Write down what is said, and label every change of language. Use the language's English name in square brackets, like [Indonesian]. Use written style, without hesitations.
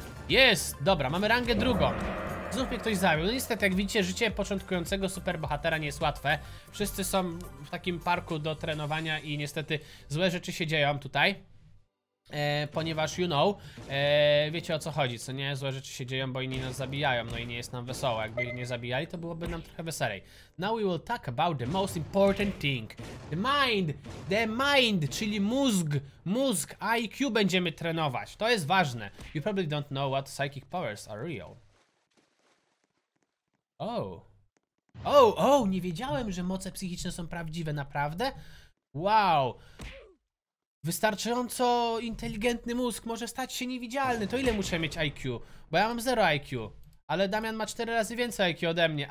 [Polish] Jest, dobra, mamy rangę drugą. Znów mnie ktoś zabił. No niestety, jak widzicie, życie początkującego superbohatera nie jest łatwe. Wszyscy są w takim parku do trenowania i niestety złe rzeczy się dzieją tutaj. Ponieważ, [English] you know, [Polish] wiecie o co chodzi, co nie? Złe rzeczy się dzieją, bo inni nas zabijają, no i nie jest nam wesoło. Jakby nie zabijali, to byłoby nam trochę weselej. [English] Now we will talk about the most important thing. The mind, [Polish] czyli mózg, IQ będziemy trenować. To jest ważne. [English] You probably don't know what psychic powers are real. [Polish] Oh, nie wiedziałem, że moce psychiczne są prawdziwe, naprawdę? Wow. Wystarczająco inteligentny mózg może stać się niewidzialny. To ile muszę mieć IQ? Bo ja mam 0 IQ. Ale Damian ma 4 razy więcej IQ ode mnie.